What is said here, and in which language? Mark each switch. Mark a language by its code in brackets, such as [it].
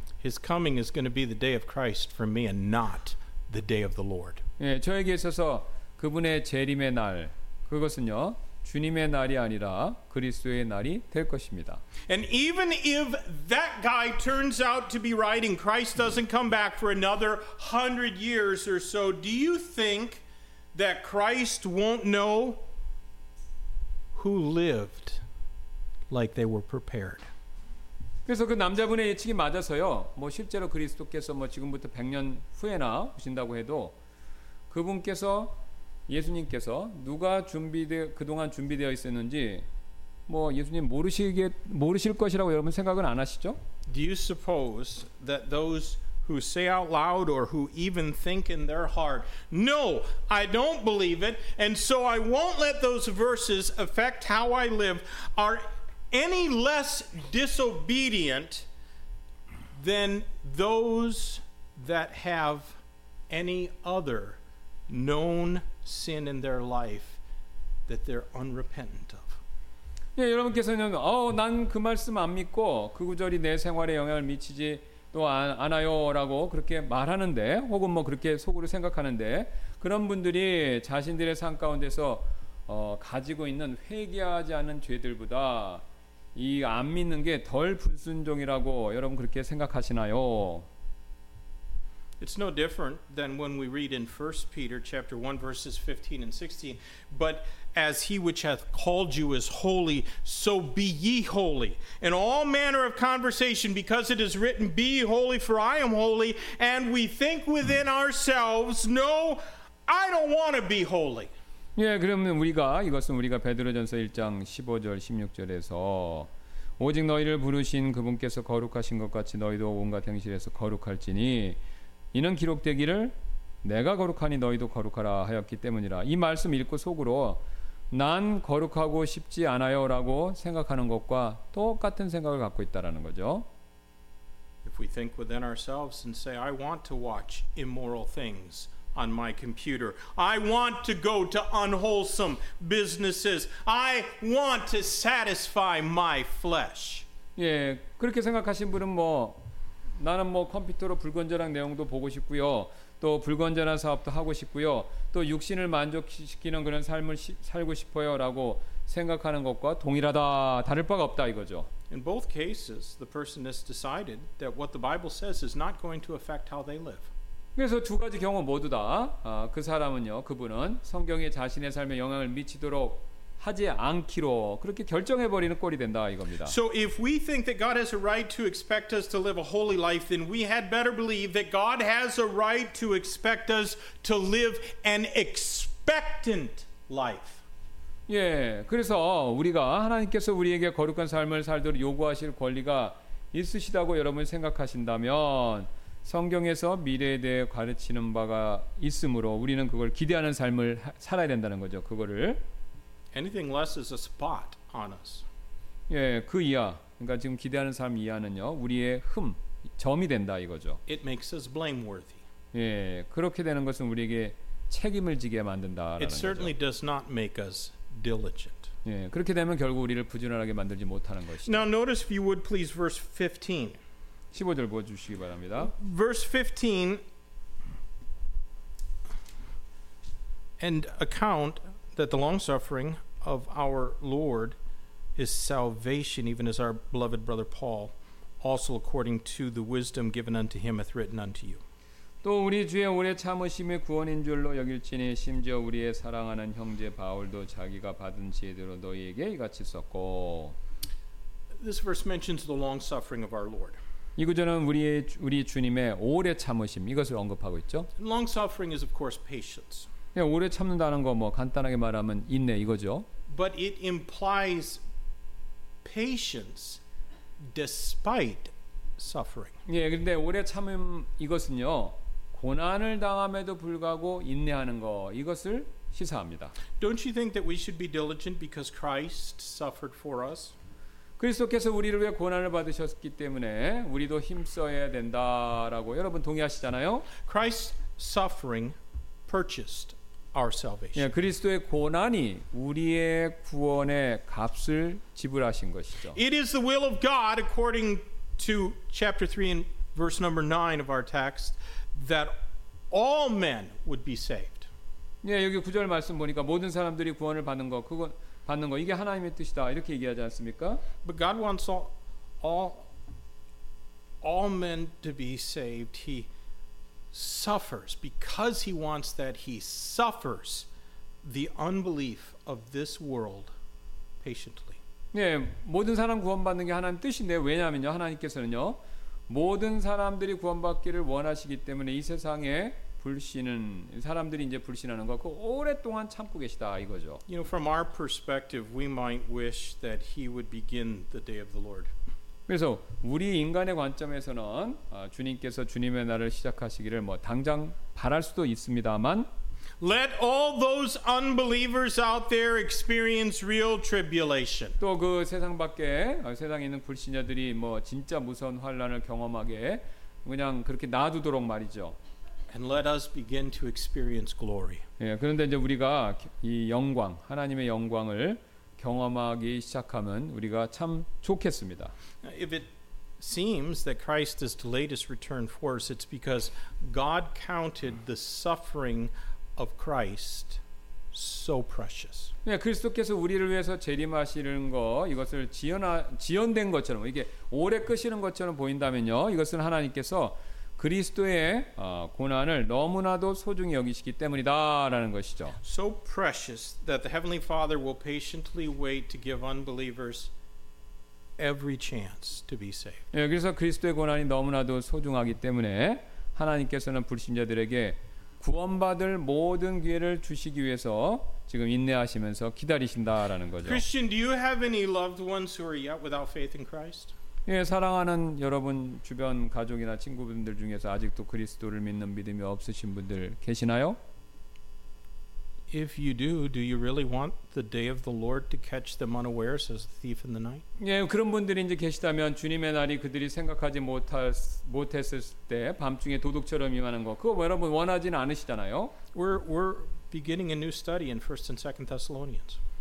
[en] His coming is going to be the day of Christ for me and not the day of the Lord. [ko] 예, 저에게 있어서 그분의 재림의 날 그것은요 주님의 날이 아니라 그리스도의 날이 될 것입니다. [en] And even if that guy turns out to be right and Christ doesn't come back for another 100 years or so, do you think that Christ won't know who lived like they were prepared? [ko] 그래서 그 남자분의 예측이 맞아서요. 뭐 실제로 그리스도께서 뭐 지금부터 100년 후에나 오신다고 해도 그분께서 예수님께서 누가 준비되 그동안 준비되어 있었는지 뭐 예수님 모르실 것이라고 여러분 생각은 안 하시죠? [en] Do you suppose that those who say out loud or who even think in their heart, "No, I don't believe it, and so I won't let those verses affect how I live," are any less disobedient than those that have any other known sin in their life that they're unrepentant of. [ko] 예, 여러분께서는 난 그 말씀 안 믿고 그 구절이 내 생활에 영향을 미치지 또 않아요라고 그렇게 말하는데 혹은 뭐 그렇게 속으로 생각하는데 그런 분들이 자신들의 삶 가운데서 가지고 있는 회개하지 않은 죄들보다 이 안 믿는 게 덜 불순종이라고 여러분 그렇게 생각하시나요? [en] It's no different than when we read in 1 Peter chapter 1 verses 15 and 16, but as he which hath called you is holy, so be ye holy. In all manner of conversation because it is written be holy for I am holy, and we think within ourselves, no, I don't want to be holy. [ko] 예, 그러면 이것은 우리가 베드로전서 1장 15절 16절에서 오직 너희를 부르신 그분께서 거룩하신 것 같이 너희도 온갖 행실에서 거룩할지니 이는 기록되기를 내가 거룩하니 너희도 거룩하라 하였기 때문이라 이 말씀 읽고 속으로 난 거룩하고 싶지 않아요 라고 생각하는 것과 똑같은 생각을 갖고 있다라는 거죠. [en] If we think within ourselves and say I want to watch immoral things on my computer. I want to go to unwholesome businesses. I want to satisfy my flesh. [ko] 예, 그렇게 생각하신 분은 뭐 나는 뭐 컴퓨터로 불건전한 내용도 보고 싶고요. 또 불건전한 사업도 하고 싶고요. 또 육신을 만족시키는 그런 삶을 살고 싶어요라고 생각하는 것과 동일하다. 다를 바가 없다 이거죠. [en] In both cases, the person has decided that what the Bible says is not going to affect how they live. [ko] 그래서 두 가지 경우 모두 다 그 사람은요, 그분은 성경에 자신의 삶에 영향을 미치도록 하지 않기로 그렇게 결정해 버리는 꼴이 된다 이겁니다. [en] So if we think that God has a right to expect us to live a holy life, then we had better believe that God has a right to expect us to live an expectant life. [ko] 예, 그래서 우리가 하나님께서 우리에게 거룩한 삶을 살도록 요구하실 권리가 있으시다고 여러분 생각하신다면 성경에서 미래에 대해 가르치는 바가 있으므로 우리는 그걸 기대하는 삶을 살아야 된다는 거죠. 그거를 [en] Anything less is a spot on us. [ko] 예, 그 이하. 그러니까 지금 기대하는 삶 이하는요, 우리의 흠, 점이 된다 이거죠. [en] It makes us blameworthy. [ko] 예, 그렇게 되는 것은 우리에게 책임을 지게 만든다라는 [en] It certainly [ko] 거죠. [en] does not make us diligent. [ko] 예, 그렇게 되면 결국 우리를 부지런하게 만들지 못하는 것이죠. [en] Now notice if you would please verse 15. [ko] 15절 보여 주시기 바랍니다. [en] Verse 15 and account that the long suffering of our Lord is salvation, even as our beloved brother Paul, also according to the wisdom given unto him, hath written unto you. [ko] 또 우리 주의 오래 참으심이 구원인 줄로 여길지니 심지어 우리의 사랑하는 형제 바울도 자기가 받은 지혜대로 너희에게 이같이 썼고. [en] This verse mentions the long suffering of our Lord. [ko] 이 구절은 우리 주님의 오래 참으심 이것을 언급하고 있죠. [en] Long suffering is of course patience. [ko] 오래 참는다는 거 뭐 간단하게 말하면 인내 이거죠. [en] But it implies patience despite suffering. [ko] 예, 근데 오래 참음 이것은요 고난을 당함에도 불구하고 인내하는 거 이것을 시사합니다. [en] Don't you think that we should be diligent because Christ suffered for us? [ko] 그리스도께서 우리를 위해 고난을 받으셨기 때문에 우리도 힘써야 된다라고 여러분 동의하시잖아요. [en] Christ's suffering purchased. Our salvation. [ko] 예, 그리스도의 고난이 우리의 구원의 값을 지불하신 것이죠. [en] It is the will of God, according to chapter 3 and verse number 9 of our text, that all men would be saved. [ko] 예, 여기 구절 말씀 보니까 모든 사람들이 구원을 받는 거, 그거 받는 거 이게 하나님의 뜻이다 이렇게 얘기하지 않습니까? [en] But God wants all men to be saved. He suffers because he wants that he suffers the unbelief of this world patiently. [ko] 네, 모든 사람 구원받는 게 하나님 뜻인데 왜냐하면요 하나님께서는요 모든 사람들이 구원받기를 원하시기 때문에 이 세상에 불신은 사람들이 이제 불신하는 거 그 오랫동안 참고 계시다 이거죠. [en] You know, from our perspective, we might wish that he would begin the day of the Lord. [ko] 그래서 우리 인간의 관점에서는 주님께서 주님의 날을 시작하시기를 뭐 당장 바랄 수도 있습니다만 [en] Let all those unbelievers out there experience real tribulation. [ko] 또 그 세상 밖에 세상에 있는 불신자들이 뭐 진짜 무서운 환난을 경험하게 그냥 그렇게 놔두도록 말이죠. [en] And let us begin to experience glory. [ko] 예, 그런데 이제 우리가 이 영광, 하나님의 영광을 경험하기 시작하면 우리가 참 좋겠습니다. [en] If it seems that Christ has delayed his return for us, it's because God counted the suffering of Christ so precious. [ko] 예, 그리스도께서 우리를 위해서 재림하시는 거 이것을 지연된 것처럼 이게 오래 끄시는 것처럼 보인다면요. 이것은 하나님께서 그리스도의 고난을 너무나도 소중히 여기시기 때문이다라는 것이죠. [en] So precious that the heavenly Father will patiently wait to give unbelievers every chance to be saved. [ko] 예, 그래서 그리스도의 고난이 너무나도 소중하기 때문에 하나님께서는 불신자들에게 구원받을 모든 기회를 주시기 위해서 지금 인내하시면서 기다리신다라는 거죠. [en] Christian, do you have any loved ones who are yet without faith in Christ? [ko] 예, 사랑하는 여러분 주변 가족이나 친구분들 중에서 아직도 그리스도를 믿는 믿음이 없으신 분들 계시나요? [en] If you do you really want the day of the Lord to catch them unawares as a thief in the night? [ko] 예, 그런 분들이 이제 계시다면 주님의 날이 그들이 생각하지 못했을 때 밤중에 도둑처럼 임하는 거 그거 여러분 원하지는 않으시잖아요. [en] We're beginning a new study in 1st and 2nd Thessalonians.